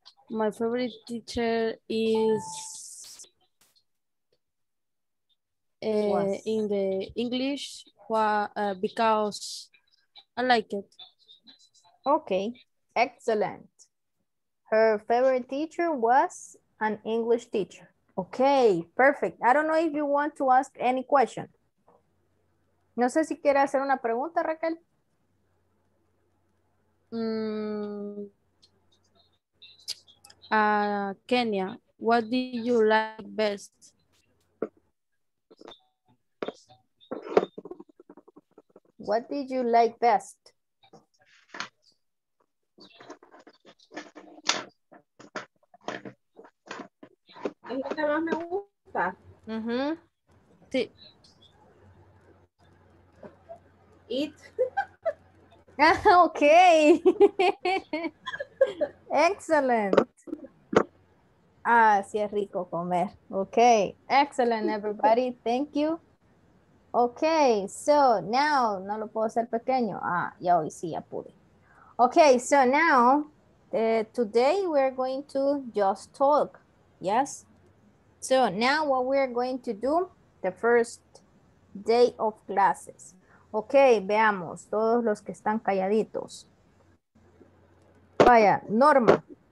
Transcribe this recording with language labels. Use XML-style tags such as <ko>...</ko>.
<en>My favorite teacher is in the English, because I like it. Okay, excellent. Her favorite teacher was an English teacher. Okay, perfect. I don't know if you want to ask any question.</en> <es>No sé si quiere hacer una pregunta, Raquel.</es> <en>Kenya, what do you like best? What did you like best?</en> <es>Es lo que más me gusta. Mm-hmm. Sí.</es> <en>Eat. Okay.</en> <es>Excellent. Ah, sí es rico comer. Okay.</es> <en>Excellent, everybody. Thank you. Okay, so now,</en> <es>no lo puedo hacer pequeño. Ah, ya hoy sí, ya pude.</es> <en>Okay, so now, today we're going to just talk, yes? So now what we're going to do, the first day of classes.</en> <es>Okay, veamos, todos los que están calladitos. Vaya, Norma.</es>